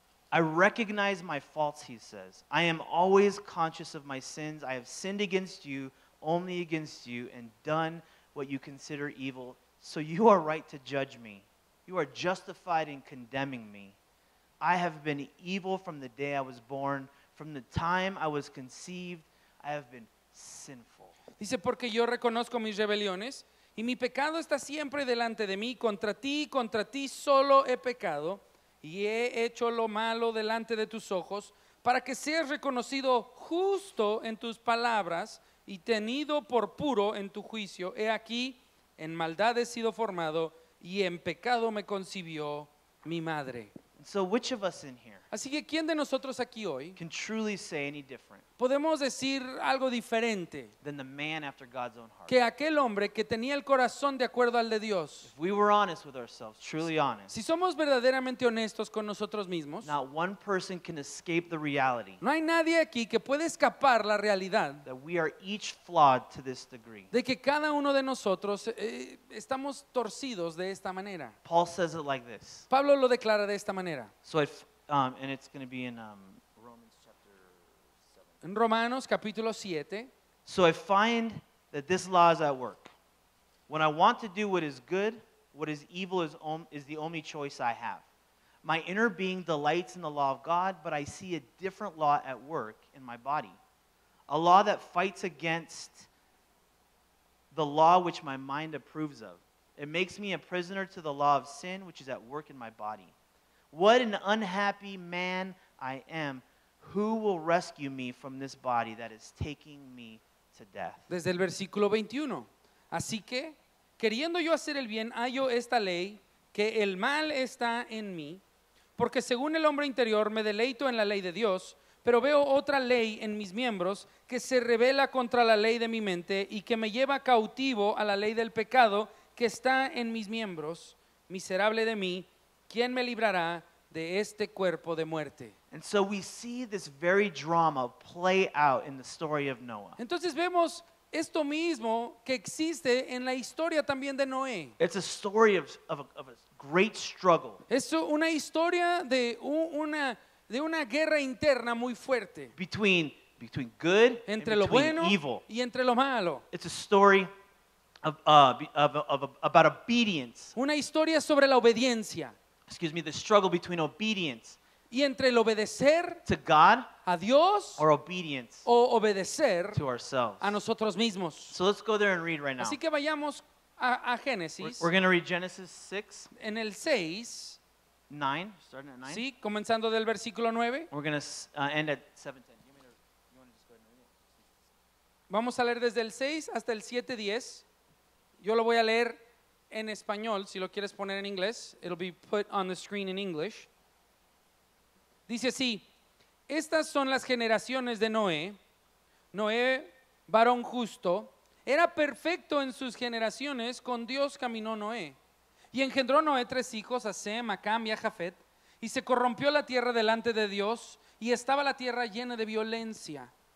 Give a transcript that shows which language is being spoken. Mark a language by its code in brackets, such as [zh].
[en] I recognize my faults, he says. I am always conscious of my sins. I have sinned against you, only against you, and done what you consider evil. So you are right to judge me. You are justified in condemning me. I have been evil from the day I was born. From the time I was conceived, I have been sinful. [es] Dice, porque yo reconozco mis rebeliones, y mi pecado está siempre delante de mí. Contra ti solo he pecado. Y he hecho lo malo delante de tus ojos, para que seas reconocido justo en tus palabras y tenido por puro en tu juicio. He aquí, en maldad he sido formado y en pecado me concibió mi madre. [en] So which of us in here, [es] así que, ¿quién de nosotros aquí hoy [en] can truly say any different, [es] podemos decir algo diferente, [en] than the man after God's own heart, [es] que aquel hombre que tenía el corazón de acuerdo al de Dios? [en] If we were honest with ourselves, truly honest, [es] si somos verdaderamente honestos con nosotros mismos, [en] not one person can escape the reality, [es] no hay nadie aquí que puede escapar la realidad, [en] that we are each flawed to this degree, [es] de que cada uno de nosotros estamos torcidos de esta manera. [en] Paul says it like this. [es] Pablo lo declara de esta manera. [en] So if and it's going to be in Romans chapter 7. [es] En Romanos capítulo 7. [en] So I find that this law is at work. When I want to do what is good, what is evil is the only choice I have. My inner being delights in the law of God, but I see a different law at work in my body. A law that fights against the law which my mind approves of. It makes me a prisoner to the law of sin, which is at work in my body. What an unhappy man I am. Who will rescue me from this body that is taking me to death? [es] Desde el versículo 21. Así que, queriendo yo hacer el bien, hallo esta ley, que el mal está en mí, porque según el hombre interior me deleito en la ley de Dios, pero veo otra ley en mis miembros que se rebela contra la ley de mi mente y que me lleva cautivo a la ley del pecado que está en mis miembros. Miserable de mí, ¿quién me librará de este cuerpo de muerte? [en] And so we see this very drama play out in the story of Noah. [es] Entonces vemos esto mismo que existe en la historia también de Noé. [en] It's a story of a great struggle. [es] Es una historia de una guerra interna muy fuerte. [en] Between good [es] entre [en] and [es] lo [en] between [es] bueno [en] evil. [es] Y entre lo malo. [en] It's a story about obedience. [es] Una historia sobre la obediencia. [en] Excuse me, the struggle between obedience. [es] Y entre el obedecer [en] to God [es] a Dios [en] or obedience [es] o obedecer [en] to ourselves. [es] A nosotros mismos. [en] So let's go there and read right now. [es] Así que vayamos a Génesis. [en] We're going to read Genesis 6. [es] En el 6. [en] 9, starting at 9. [es] Sí, comenzando del versículo 9. [en] We're going to end at 7:10. You want to just go ahead and read it? [es] Vamos a leer desde el 6 hasta el 7:10. Yo lo voy a leer en español, si lo quieres poner en inglés. [en] It'll be put on the screen in English. [es] Dice así: estas son las generaciones de Noé. Noé, varón justo, era perfecto en sus generaciones, con Dios caminó Noé. Y engendró Noé tres hijos, a Sem, a Cam y a Jafet. Y se corrompió la tierra delante de Dios, y estaba la tierra llena de violencia.